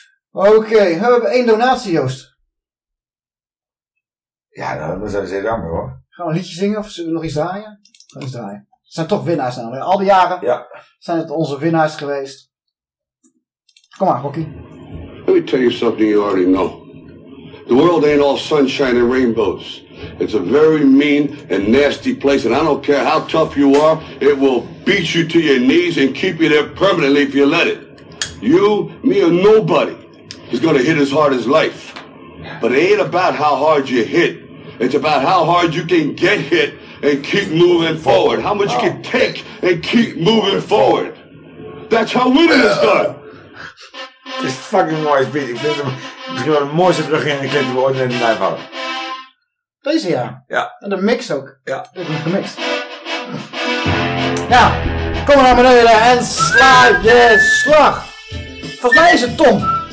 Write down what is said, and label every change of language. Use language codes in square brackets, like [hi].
[nl] Oké, we hebben 1 donatie, Joost. Ja, dat is heel jammer hoor. Gaan we een liedje zingen of zullen we nog iets draaien? Gaan we iets draaien. Het zijn toch winnaars namelijk. Al die jaren zijn het onze winnaars geweest. Kom maar, Rocky. [en] Let me tell you something you already know. The world ain't all sunshine and rainbows. It's a very mean and nasty place. And I don't care how tough you are. It will beat you to your knees and keep you there permanently if you let it. You, me, or nobody is going to hit as hard as life. But it ain't about how hard you hit. It's about how hard you can get hit and keep moving forward. How much you can take and keep moving forward. That's how winning is done. This is fucking wise, beat. [nl] Ik vind het misschien wel de mooiste brug in de clip die we ooit in de lijf hadden. Deze ja. Ja. En de mix ook. Ja. Ik heb gemixt. Ja, kom naar beneden en sla je slag. Volgens mij is het Tom.